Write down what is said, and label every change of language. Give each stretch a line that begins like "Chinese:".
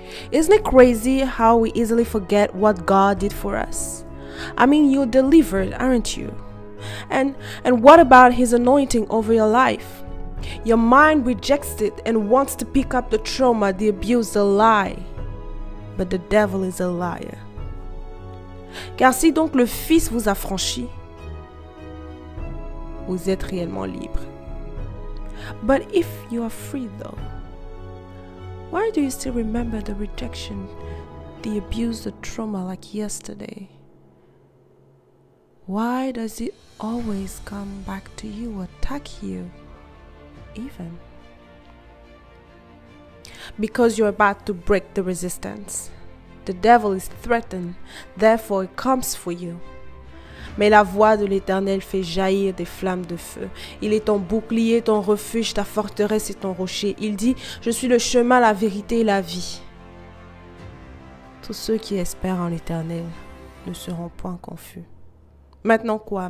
English: Isn't it crazy how we easily forget what God did for us? I mean, you're delivered, aren't you? And what about his anointing over your life? Your mind rejects it and wants to pick up the trauma, the abuse, the lie. But the devil is a liar.
French: Car si donc le Fils vous a franchi, vous êtes réellement libre.
English: But if you are free though, why do you still remember the rejection, the abuse, the trauma like yesterday? Why does it always come back to you, attack you, even? Because you're about to break the resistance. The devil is threatened, therefore it comes for you.
French: Mais la voix de l'Éternel fait jaillir des flammes de feu. Il est ton bouclier, ton refuge, ta forteresse et ton rocher. Il dit, je suis le chemin, la vérité et la vie. Tous ceux qui espèrent en l'Éternel ne seront point confus. Maintenant quoi?